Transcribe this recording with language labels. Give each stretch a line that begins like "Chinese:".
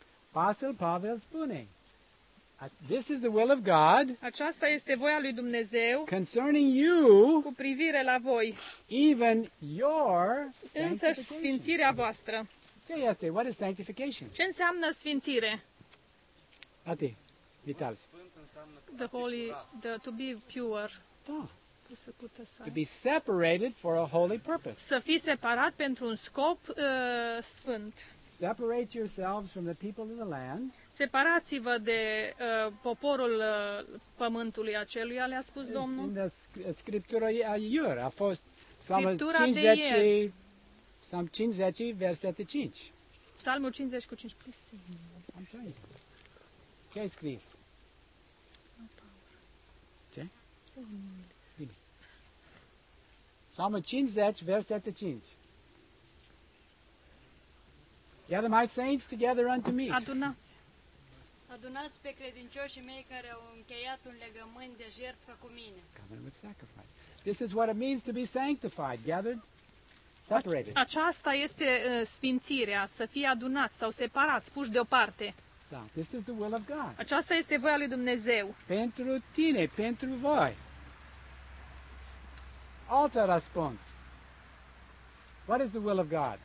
Romanian: Apostol Pavel spune,
English: this is the will of God.
Romanian: Aceasta este voia lui Dumnezeu.
English: Concerning you.
Romanian: Cu privire la voi.
English: Even your sanctification.
Romanian: Însă sfințirea voastră. Ce este?
English: What is sanctification?
Romanian: Ce înseamnă sfințire? Ati, Vital.
English: The holy, to be pure. Da. To be separated for a holy purpose.
Romanian: Să fii separat pentru un scop sfânt.
English: Separate yourselves from the people of the land.
Romanian: Separați-vă de poporul pământului aceluia, le-a spus Domnul. In the scriptura ieri a fost Psalm 50, versetul 5. Psalmul 50 cu 5, please.
English: I'm trying.
Romanian: Ce ai scris? Ce? Bine. Psalmul 50, versetul 5.
English: Gather my saints together unto me.
Romanian: Adunați pe credincioșii mei care au încheiat un legământ de jertfă cu mine.
English: Covenant with sacrifice. This is what it means to be sanctified, gathered, separated.
Romanian: Aceasta este sfințirea, să fie adunați sau separați, puși deoparte.
English: Da, this is the will of God.
Romanian: Aceasta este voia lui Dumnezeu. Pentru tine, pentru voi. Altă răspuns.
English: What is the will of God?